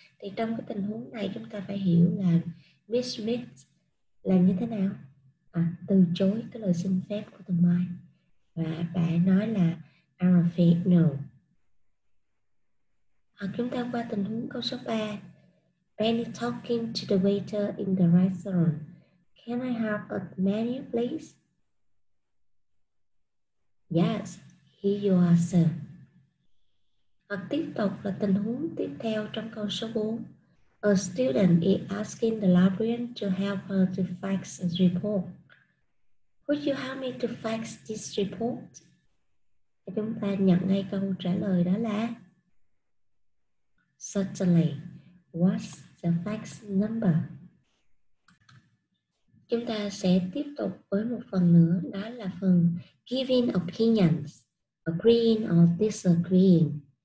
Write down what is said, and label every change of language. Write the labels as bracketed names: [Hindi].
[Vietnamese] Thì trong cái tình huống này chúng ta phải hiểu là Miss Smith làm như thế nào? À, từ chối cái lời xin phép của tuần mai. Và bạn nói là [English] I'm afraid no. [Vietnamese] À, chúng ta qua tình huống câu số 3. [English] Penny talking to the waiter in the restaurant. Can I have a menu, please? Yes, here you are, sir. [Vietnamese] Hoặc tiếp tục là tình huống tiếp theo trong câu số 4. [English] A student is asking the librarian to help her to fax a report. Would you help me to fax this report? [Vietnamese] Chúng ta nhận ngay câu trả lời đó là certainly. [English] What's the fax number? [Vietnamese] Chúng ta sẽ tiếp tục với một phần nữa, đó là phần [English] giving opinions, agreeing or disagreeing.